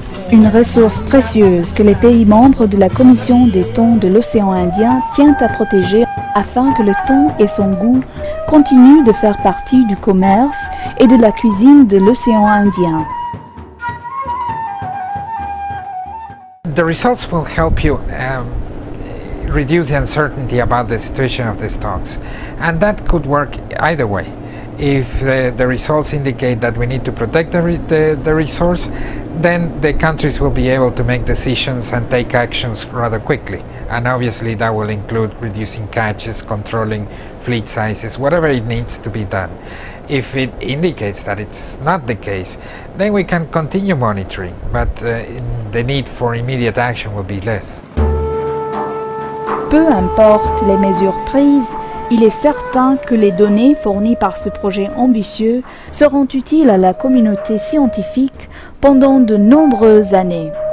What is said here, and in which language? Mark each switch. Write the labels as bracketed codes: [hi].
[fr] Une ressource précieuse que les pays membres de la Commission des thons de l'océan Indien tient à protéger afin que le thon et son goût continuent de faire partie du commerce et de la cuisine de l'océan Indien. [en] The results will help you reduce the uncertainty about the situation of the stocks, and that could work either way. If the results indicate that we need to protect the resource, then the countries will be able to make decisions and take actions rather quickly. And obviously that will include reducing catches, controlling fleet sizes, whatever it needs to be done. If it indicates that it's not the case, then we can continue monitoring, but the need for immediate action will be less. [fr] Peu importe les mesures prises, il est certain que les données fournies par ce projet ambitieux seront utiles à la communauté scientifique pendant de nombreuses années.